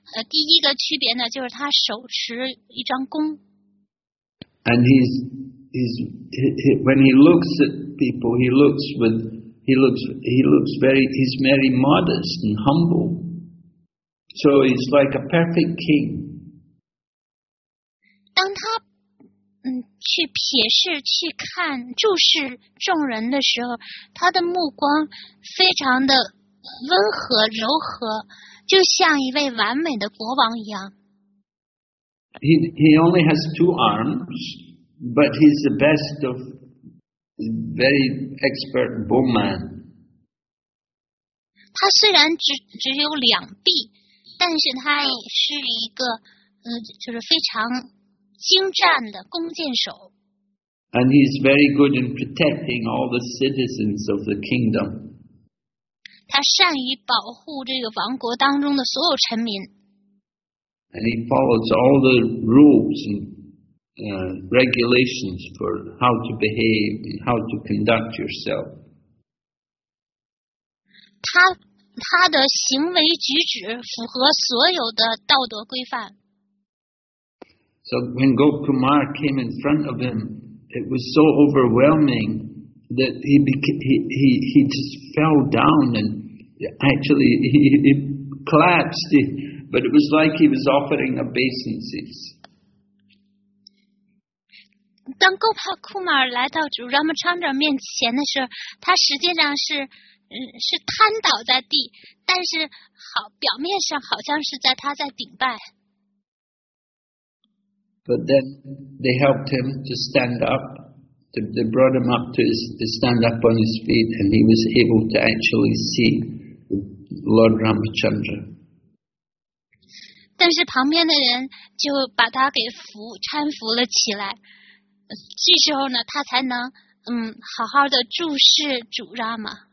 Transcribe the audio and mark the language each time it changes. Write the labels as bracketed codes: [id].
[zh] 第一个区别呢，就是他手持一张弓。 [en] And when he looks at people, he's very modest and humble. So he's like a perfect king. [zh] 当他去瞥视、去看、注视众人的时候，他的目光非常的温和、柔和。就像一位完美的国王一样。 [en] He only has two arms, but he's the best of very expert bowman. [zh] 他虽然只有两臂，但是他也是一个就是非常精湛的弓箭手。 [en] And he's very good in protecting all the citizens of the kingdom. [zh] 他善于保护这个王国当中的所有臣民。 [en] And he follows all the rules and regulations for how to behave and how to conduct yourself. [zh] 他的行为举止符合所有的道德规范。 [en] So when Gopkumar came in front of him, it was so overwhelming that he just fell down and actually he collapsed. But it was like he was offering obeisances. [zh] 当 Gopkumar 来到主 Ramachandra 面前的时候，他实际上是瘫倒在地，但是表面上好像是他在顶拜。 [en] But then they helped him to stand up. They brought him up to stand up on his feet, and he was able to actually see Lord Ramachandra. [zh] 但是旁边的人就把他给搀扶了起来。这时候呢，他才能好好的注视主拉玛。